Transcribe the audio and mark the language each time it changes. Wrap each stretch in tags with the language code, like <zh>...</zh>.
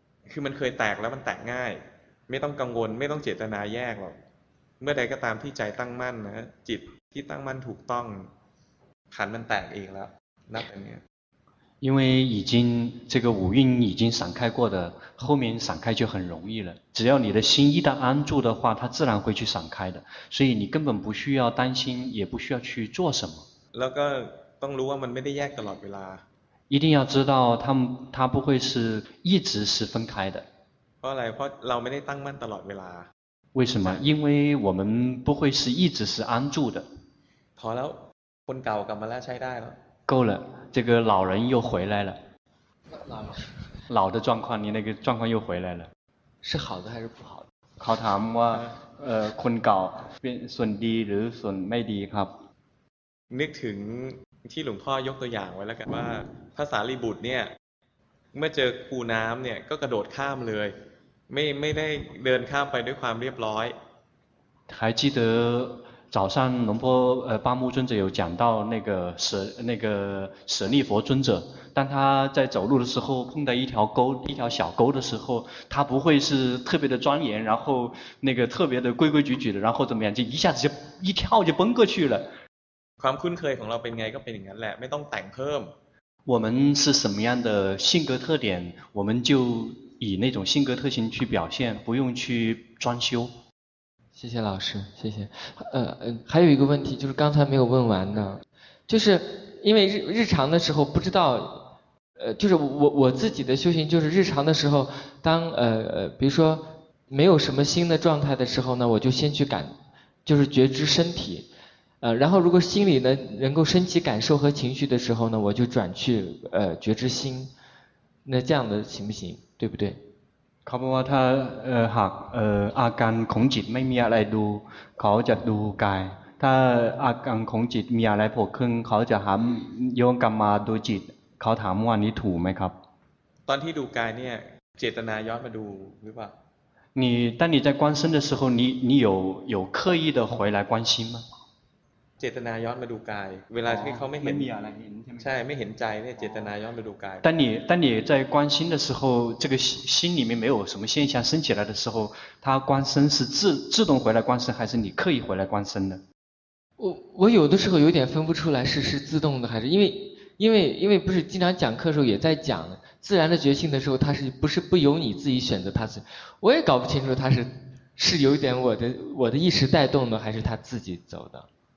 <th>คือมันเคยแตกแล้วมันแตกง่ายไม่ต้องกังวลไม่ต้องเจตนาแยกหรอกเมื่อใดก็ตามที่ใจตั้งมั่นนะจิตที่ตั้งมั่นถูกต้องขันมันแตกเองแล้วนับอย่างนี้</th> <zh>因为已经这个五蕴已经散开过的后面散开就很容易了只要你的心一旦安住的话它自然会去散开的所以你根本不需要担心也不需要去做什么</zh> <th>แล้วก็ต้องรู้ว่ามันไม่ได้แยกตลอดเวลา</th> <zh>一定要知道它不会是一直是分开的</zh> <th>เพราะอะไรเพราะเราไม่ได้ตั้งมั่นตลอดเวลา</th> <zh>为什么因为我们不会是一直是安住的</zh> <th>พอแล้วคนเก่ากลับมาแล้วใช้ได้แล้ว</th> <zh>够了这个老人又回来了老的状况你那个状况又回来了是好的还是不好的考他们哇</zh> <th>คนเก่าเป็นส่วนดีหรือส่วนไม่ดีครับ นึกถึงที่หลวงพ่อยกตัวอย่างไว้แล้วกันว่าพระสารีบุตรเนี่ยเมื่อเจอคูน้ําเนี่ยก็กระโดดข้ามเลยไม่ได้เดินข้ามไปด้วยความเรียบร้อย</th> <zh>还记得早上龙波八木尊者有讲到舍利佛尊者当他在走路的时候碰到一条小沟的时候他不会是特别的庄严然后那个特别的规规矩矩的然后怎么样就一下子就一跳就奔过去了</zh> <th>ความคุ้นเคยของเราเป็นไงก็เป็นอย่างนั้นแหละไม่ต้องแต่งเพิ่ม</th> <zh>我们是什么样的性格特点我们就以那种性格特性去表现不用去装修谢谢老师谢谢还有一个问题就是刚才没有问完的就是因为日常的时候不知道就是我自己的修行就是日常的时候当比如说没有什么新的状态的时候呢我就先去感就是觉知身体然后如果心里呢能够升起感受和情绪的时候呢我就转去觉知心那这样的行不行对不对</zh> <th>เขาบอกว่าถ้าหากอาการของจิตไม่มีอะไรดูเขาจะดูกายถ้าอาการของจิตมีอะไรโผล่ขึ้นเขาจะหันโยงกลับมาดูจิตเขาถามว่านี้ถูกไหมครับ ตอนที่ดูกายเนี่ยเจตนาย้อนมาดูหรือเปล่า</th> <zh>你当你在观身的时候你有刻意的回来观心吗</zh> <th>จตนาย้อนมาดูกายเวลาที่เขาไม่เห็น ไม่มีอะไรเห็นใช่ ไหม ใช่ไม่เห็นใจเนี่ยเจตนาย้อนมาดูกาย</th> <zh>当你在关心的时候这个心里面没有什么现象升起来的时候他观身是自动回来观身还是你刻意回来观身的我有的时候有点分不出来是自动的还是因为不是经常讲课的时候也在讲自然的觉性的时候它是不是不由你自己选择它是我也搞不清楚它是有点我的意识带动的还是它自己走的</zh>